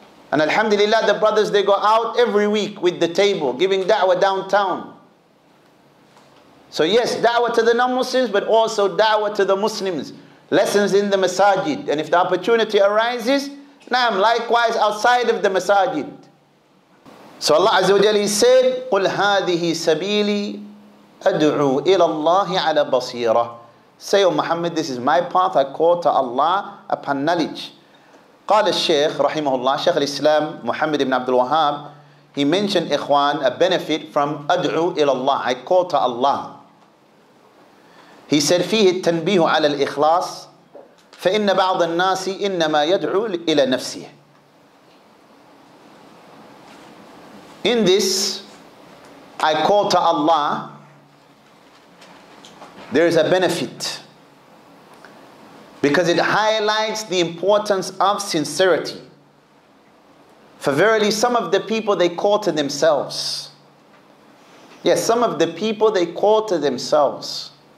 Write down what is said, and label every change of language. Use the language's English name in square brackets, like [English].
[English] And alhamdulillah, the brothers, they go out every week with the table, giving da'wah downtown. So yes, da'wah to the non-Muslims, but also da'wah to the Muslims. Lessons in the masajid. And if the opportunity arises, nam, likewise outside of the masajid. [Arabic] So Allah Azza wa Jalla said, قُلْ هَذِهِ سَبِيلِي أَدْعُوا إِلَى اللَّهِ عَلَى بَصِيرَةِ. [English] Say, O Muhammad, this is my path, I call to Allah upon knowledge. [Arabic] قال الشيخ رحمه الله, [English] Shaykh al-Islam Muhammad ibn Abdul Wahhab, he mentioned, ikhwan, a benefit from [Arabic] أَدْعُوا إِلَى اللَّهِ, [English] I call to Allah. He said, [Arabic] فِيهِ التَّنْبِيهُ عَلَى الْإِخْلَاصِ فَإِنَّ بَعْضَ النَّاسِ إِنَّمَا يَدْعُوا إِلَى نَفْسِهِ. [English] In this, I call to Allah, there is a benefit. Because it highlights the importance of sincerity. For verily, some of the people, they call to themselves. Yes, some of the people, they call to themselves.